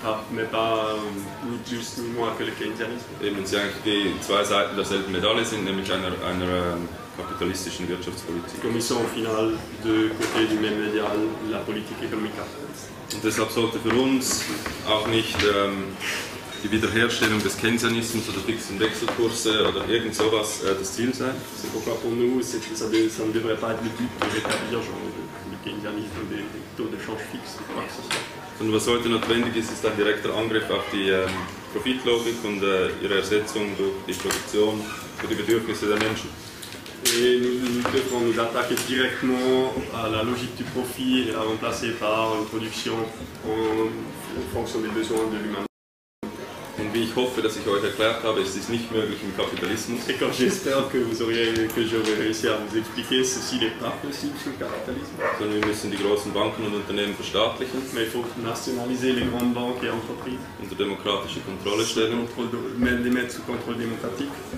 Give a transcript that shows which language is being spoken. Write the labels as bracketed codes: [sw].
[fr] Mais pas ni plus ni moins que le keynesianisme. [de] Eben, [fr] c'est [de] eigentlich die zwei Seiten derselben Medaille sind, nämlich einer kapitalistischen Wirtschaftspolitik. [fr] Comme ils sont au final de côté du même idéal, la politique économique. [de] Und deshalb sollte für uns auch nicht die Wiederherstellung des Keynesianismus oder fixen Wechselkurse oder irgend sowas das Ziel sein? [fr] C'est pourquoi pour nous, ça ne devrait pas être le but de rétablir le Keynesianisme des taux de change fixes. [de] Sondern was heute notwendig ist, ist ein direkter Angriff auf die Profitlogik und ihre Ersetzung durch die Produktion, durch die Bedürfnisse der Menschen. [fr] Et nous devons nous attaquer directement à la logique du profit et la remplacer par une production en fonction des besoins de l'humain. [de] Und wie ich hoffe, dass ich euch erklärt habe, es ist nicht möglich im Kapitalismus. [fr] Et comme j'espère que vous auriez que j'aurais réussi à vous expliquer, ceci n'est pas possible sous le capitalisme. [de] Sondern wir müssen die großen Banken und Unternehmen verstaatlichen. [fr] Mais il faut nationaliser les grandes banques et entreprises. [de] Unter demokratische Kontrolle stellen. [fr] Mettre sous contrôle démocratique.